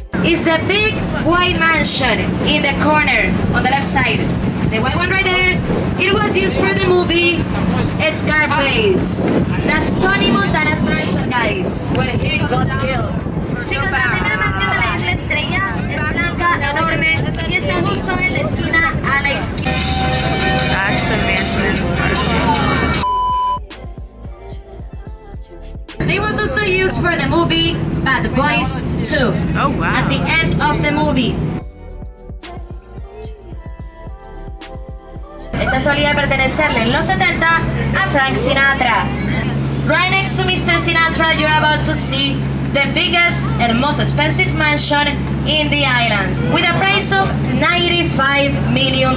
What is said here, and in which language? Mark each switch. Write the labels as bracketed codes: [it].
[en] It's a big white mansion in the corner on the left side. The white one right there, it was used for the movie Scarface. That's Tony Montana's mansion, guys, where he got killed. [es] Chicos, la primera mansión de la isla Estrella es blanca, enorme, y está justo en la esquina a la izquierda. [en] That's the mansion in used for the movie Bad Boys 2. Oh wow. At the end of the movie. [es] Esta solía pertenecerle en los 70 a Frank Sinatra. [en] Right next to Mr. Sinatra, you're about to see the biggest and most expensive mansion in the islands, with a price of $95 million.